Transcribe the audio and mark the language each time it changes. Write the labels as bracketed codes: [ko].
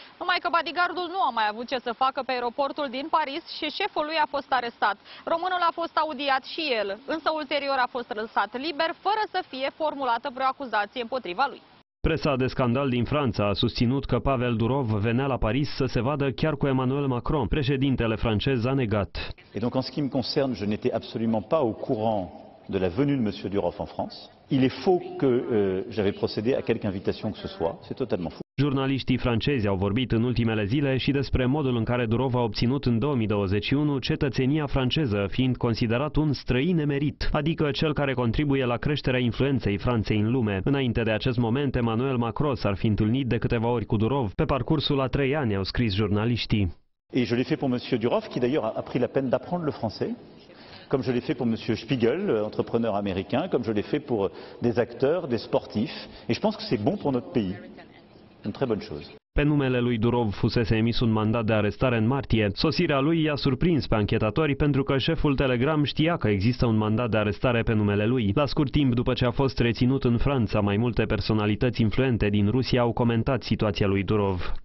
[ro] Numai că bodyguardul nu a mai avut ce să facă pe aeroportul din Paris și șeful lui a fost arestat. Românul a fost audiat și el, însă ulterior a fost lăsat liber, fără să fie formulată vreo acuzație împotriva lui. Presa de scandal din Franța a susținut că Pavel Durov venea la Paris să se vadă chiar cu Emmanuel Macron. Președintele francez a negat. [fr] Et donc en ce qui me concerne, je n'étais absolument pas au courant de la venue de monsieur Durov en France. Il est faux que j'avais procédé à quelque invitation que ce soit. C'est totalement faux. [ro] Jurnaliștii francezi au vorbit în ultimele zile și despre modul în care Durov a obținut în 2021 cetățenia franceză, fiind considerat un străin emerit, adică cel care contribuie la creșterea influenței Franței în lume. Înainte de acest moment, Emmanuel Macron s-ar fi întâlnit de câteva ori cu Durov pe parcursul a 3 ani, au scris jurnaliștii. [fr] Et je l'ai fait pour monsieur Durov qui d'ailleurs a pris la peine d'apprendre le français. Comme je l'ai fait pour monsieur Spiegel, entrepreneur américain, comme je l'ai fait pour des acteurs, des sportifs et je pense que c'est bon pour notre pays. [ro] Pe numele lui Durov fusese emis un mandat de arestare în martie. Sosirea lui i-a surprins pe anchetatori pentru că șeful Telegram știa că există un mandat de arestare pe numele lui. La scurt timp după ce a fost reținut în Franța, mai multe personalități influente din Rusia au comentat situația lui Durov.